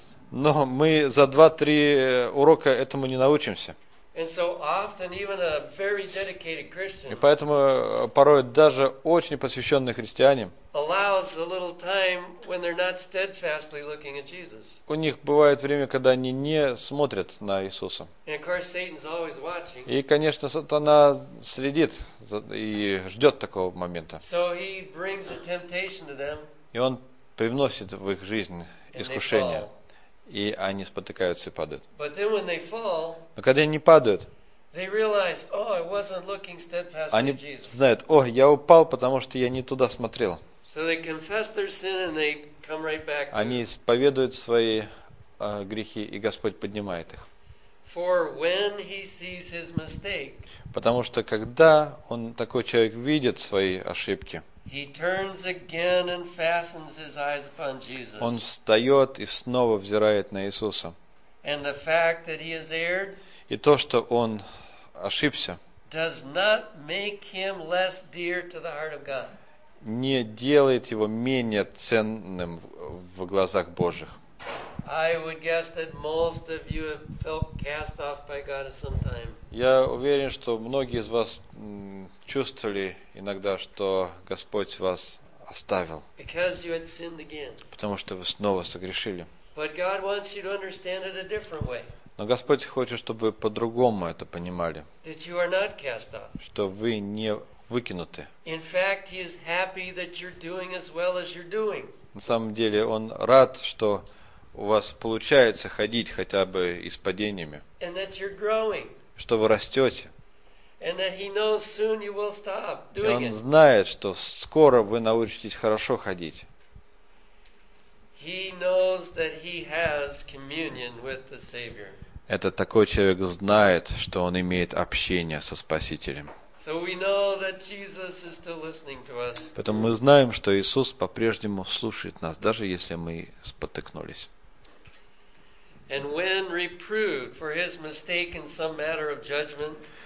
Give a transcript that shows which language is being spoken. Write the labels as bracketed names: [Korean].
[Russian] Но мы за 2-3 урока этому не научимся. [English] And so often even a very dedicated Christian. [Russian] И поэтому порой даже очень посвященные христиане. [English] Allows a little time when they're not steadfastly looking at Jesus. [Russian] У них бывает время, когда они не смотрят на Иисуса. [English] And of course Satan's always watching. [Russian] И, конечно, сатана следит и ждет такого момента. [English] So he brings a temptation to them. [Russian] И он привносит в их жизнь искушение. И они спотыкаются и падают. [English] But then when they fall, [Russian] но когда они падают, [English] they realize, oh, I wasn't looking steadfastly [Russian] они [English] Jesus. [Russian] Знают, о, я упал, потому что я не туда смотрел. [English] So they confess their sin and they come right back. [Russian] Они исповедуют свои грехи, и Господь поднимает их. [English] For when he sees his mistake, [Russian] потому что когда он, такой человек, видит свои ошибки, [English] he turns again and fastens his eyes upon Jesus. [Russian] Он встает и снова взирает на Иисуса. [English] And the fact that he has erred, [Russian] и то, что он ошибся, [English] does not make him less dear to the heart of God. [Russian] Не делает его менее ценным в глазах Божьих. [English] I would guess that most of you have felt cast off by God at some time. [Russian] Я уверен, что многие из вас чувствовали иногда, что Господь вас оставил. [English] Because you had sinned again. [Russian] Потому что вы снова согрешили. [English] But God wants you to understand it a different way. [Russian] Но Господь хочет, чтобы вы по-другому это понимали. [English] That you are not cast off. [Russian] Что вы не выкинуты. [English] In fact, he is happy that you're doing as well as you're doing. [Russian] На самом деле, он рад, что у вас получается ходить хотя бы и с падениями. [English] And that you're growing. [Russian] Что вы растете. [English] And that he knows soon you will stop doing it. [Russian] И он знает, что скоро вы научитесь хорошо ходить. [English] He knows that he has communion with the Savior. [Russian] Этот такой человек знает, что он имеет общение со Спасителем. [English] So we know that Jesus is still listening to us. [Russian] Поэтому мы знаем, что Иисус по-прежнему слушает нас, даже если мы спотыкнулись. [English] And when reproved for his mistake in some matter of judgment.